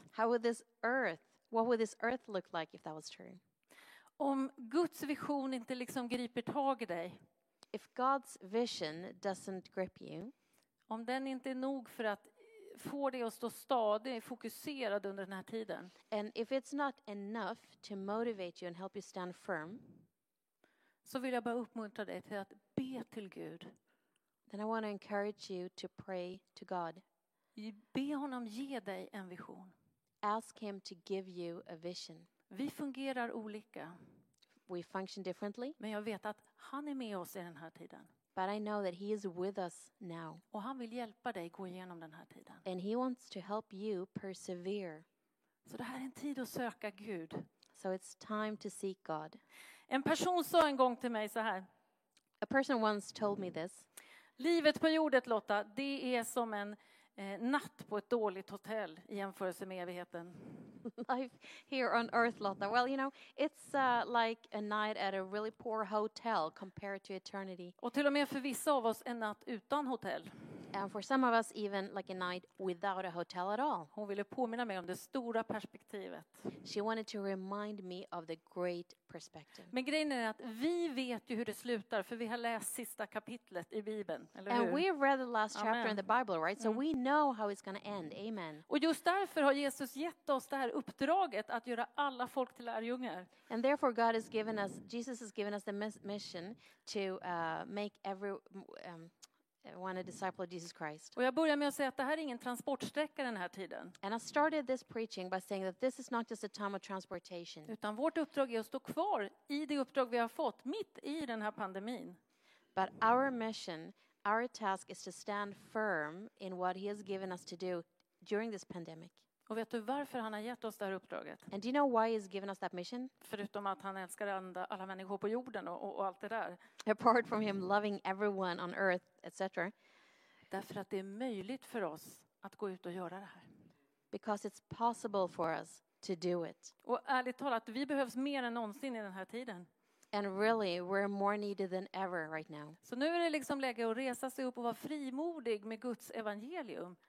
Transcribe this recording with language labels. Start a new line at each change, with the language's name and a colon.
English: How would this earth, what would this earth look like if that was true?
Swedish: Om Guds vision inte liksom griper tag i dig.
English: If God's vision doesn't grip you.
Swedish: Om den inte är nog för att få dig att stå stadig och fokuserad under den här tiden.
English: And if it's not enough to motivate you and help you stand firm.
Swedish: Så vill jag bara uppmuntra dig till att be till Gud.
English: Then I want to encourage you to pray to God.
Swedish: Be honom ge dig en vision.
English: Ask him to give you a vision.
Swedish: Vi fungerar olika.
English: We function differently.
Swedish: Men jag vet att han är med oss i den här tiden.
English: But I know that he is with us now.
Swedish: Och han vill hjälpa dig gå igenom den här tiden.
English: And he wants to help you persevere.
Swedish: Så det här är en tid att söka Gud.
English: So it's time to seek God.
Swedish: En person sa en gång till mig så här.
English: A person once told me this.
Swedish: Livet på jorden, Lotta, det är som en natt på ett dåligt hotell i jämförelse med evigheten.
English: Life here on earth, Lotta. Well, you know, it's like a night at a really poor hotel compared to eternity.
Swedish: Och till och med för vissa av oss en natt utan hotell.
English: And for some of us even like a night without a hotel at all.
Swedish: Hon ville påminna mig om det stora perspektivet.
English: She wanted to remind me of the great perspective.
Swedish: Men grejen är att vi vet ju hur det slutar för vi har läst sista kapitlet i Bibeln, eller
English: and
Swedish: hur?
English: We have read the last chapter in the Bible, right? So we know how it's going to end.
Swedish: Amen. Och just därför har Jesus gett oss det här uppdraget att göra alla folk till lärjungar.
English: And therefore God has given us, Jesus has given us the mission to make every one a disciple of Jesus Christ.
Swedish: Och jag börjar med att säga att det här är ingen transportsträcka den här tiden.
English: And I started this preaching by saying that this is not just a time of transportation.
Swedish: Utan vårt uppdrag är att stå kvar i det uppdrag vi har fått mitt i den här pandemin.
English: But our mission, our task is to stand firm in what he has given us to do during this pandemic.
Swedish: Och vet du varför han har gett oss det här uppdraget?
English: And do you know why he's given us that mission?
Swedish: Förutom att han älskar alla människor på jorden och allt det där.
English: Apart from him loving everyone on earth, etc.
Swedish: Därför att det är möjligt för oss att gå ut och göra det här.
English: Because it's possible for us to do it.
Swedish: Och ärligt talat, vi behövs mer än någonsin i den här tiden.
English: And really, we're more needed than ever right now.
Swedish: Så nu är det liksom läge att resa sig upp och vara frimodig med Guds evangelium.